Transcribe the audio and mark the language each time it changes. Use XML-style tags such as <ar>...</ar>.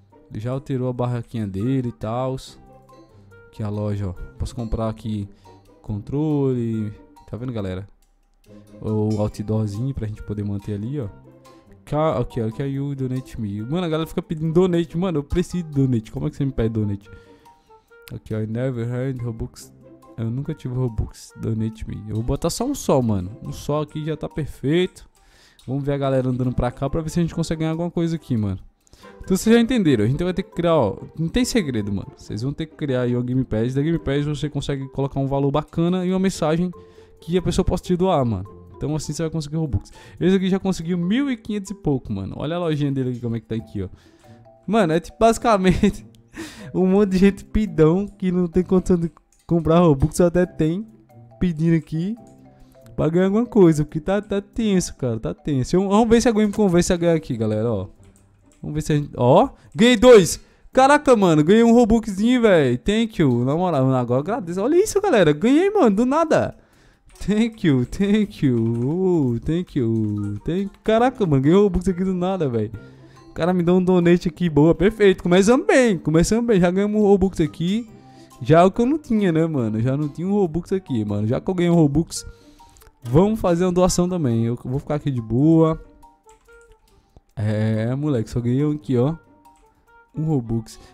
<pt>Ele já alterou a barraquinha dele e tal. Aqui a loja, ó. Posso comprar aqui controle. Tá vendo, galera? O outdoorzinho pra gente poder manter ali, ó. Aqui, ó, que aí o donate me. Mano, a galera fica pedindo donate, mano. Eu preciso de donate. Como é que você me pede donate?</pt> <en>Aqui, ó, I never earned Robux.</en> <pt>Eu nunca tive Robux.</pt> <en>Donate me.</en> <pt>Eu vou botar só um só, mano. Um só aqui já tá perfeito. Vamos ver a galera andando pra cá pra ver se a gente consegue ganhar alguma coisa aqui, mano. Então vocês já entenderam. A gente vai ter que criar, ó. Não tem segredo, mano. Vocês vão ter que criar aí uma Game Pass. Da Game Pass você consegue colocar um valor bacana e uma mensagem que a pessoa possa te doar, mano. Então assim você vai conseguir Robux. Esse aqui já conseguiu 1.500 e pouco, mano. Olha a lojinha dele aqui, como é que tá aqui, ó. Mano, é tipo basicamente um monte de gente pidão que não tem condição de comprar Robux, até tem pedindo aqui pra ganhar alguma coisa. Porque tá tenso, cara. Tá tenso. Vamos ver se alguém me convence a ganhar aqui, galera, ó. Vamos ver se a gente. Ó! Ganhei dois! Caraca, mano, ganhei um Robuxzinho, velho.</pt> <en>Thank you.</en> <pt>Na moral, agora agradeço. Olha isso, galera. Ganhei, mano, do nada.</pt> <en>Thank you, thank you, thank you, thank.</en> <pt>Caraca, mano, ganhei o Robux aqui do nada, velho. O cara me deu um donate aqui, boa, perfeito. Começamos bem, já ganhamos o Robux aqui. Já é o que eu não tinha, né, mano? Já não tinha o Robux aqui, mano. Já que eu ganhei o Robux, vamos fazer uma doação também. Eu vou ficar aqui de boa. É, moleque, só ganhei um aqui, ó. Um Robux.</pt>